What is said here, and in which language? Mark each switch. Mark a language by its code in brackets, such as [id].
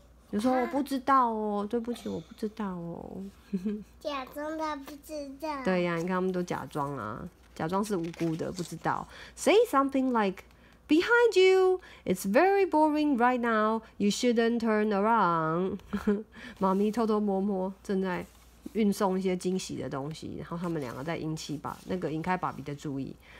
[zh] 你说我不知道哦，对不起，我不知道哦。假装他不知道。对呀、啊，你看他们都假装啊，假装是无辜的，不知道。 [en] Say something like behind you, it's very boring right now. You shouldn't turn around. [zh] 妈咪偷偷摸摸正在运送一些惊喜的东西，然后他们两个在引开爸比的注意。